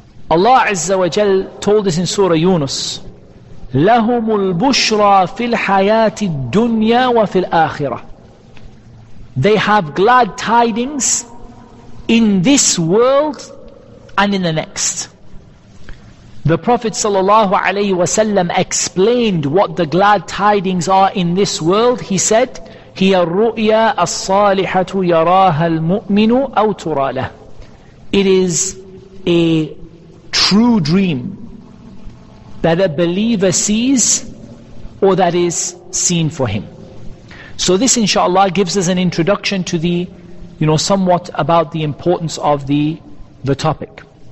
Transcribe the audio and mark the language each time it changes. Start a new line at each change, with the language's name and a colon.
English: Allah Azza wa Jal told us in Surah Yunus,
Arabic: لَهُمُ الْبُشْرَى فِي الْحَيَاةِ الدُّنْيَا وَفِي الْآخِرَةِ.
English: They have glad tidings in this world and in the next. The Prophet
Arabic: sallallahu alayhi wa sallam
English: explained what the glad tidings are in this world. He said,
Arabic: هِيَ الرُّؤْيَا الصَّالِحَةُ يَرَاهَا الْمُؤْمِنُ أَوْ تُرَى لَهُ.
English: It is a true dream that a believer sees or that is seen for him. So this inshallah gives us an introduction to the, you know, somewhat about the importance of the topic.